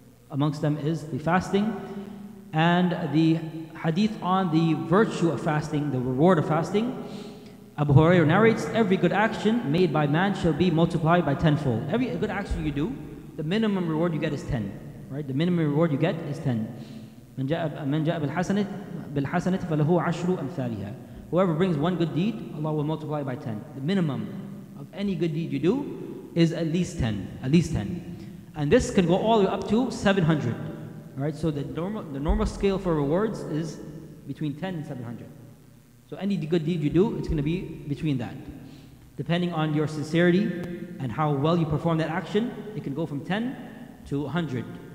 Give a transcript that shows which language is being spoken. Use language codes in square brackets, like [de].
[en] Amongst them is the fasting. And the hadith on the virtue of fasting, the reward of fasting. Abu Hurairah narrates, every good action made by man shall be multiplied by tenfold. Every good action you do, the minimum reward you get is 10. Right, the minimum reward you get is 10. [ar] من جاء بالحسنة فله عشر أمثالها. [en] Whoever brings one good deed, Allah will multiply by 10. The minimum of any good deed you do is at least 10. At least 10. And this can go all the way up to 700. Right, so the normal scale for rewards is between 10 and 700. So any good deed you do, it's going to be between that. Depending on your sincerity and how well you perform that action, it can go from 10 to 100.